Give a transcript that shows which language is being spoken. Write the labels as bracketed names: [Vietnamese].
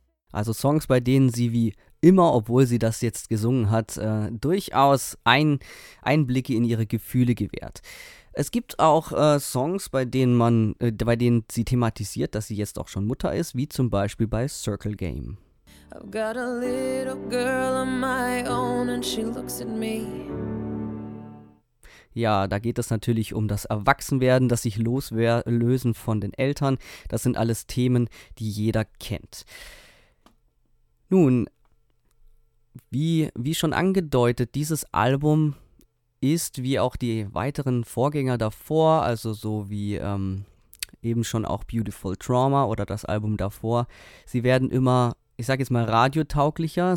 [German] Also Songs, bei denen sie wie immer, obwohl sie das jetzt gesungen hat, durchaus Einblicke in ihre Gefühle gewährt. Es gibt auch Songs, bei denen sie thematisiert, dass sie jetzt auch schon Mutter ist, wie zum Beispiel bei Circle Game. [English] I've got a little girl of my own and she looks at me. [German] Ja, da geht es natürlich um das Erwachsenwerden, das sich loslösen von den Eltern. Das sind alles Themen, die jeder kennt. Nun, wie schon angedeutet, dieses Album ist, wie auch die weiteren Vorgänger davor, also so wie eben schon auch Beautiful Trauma oder das Album davor, sie werden immer, ich sag jetzt mal, radiotauglicher.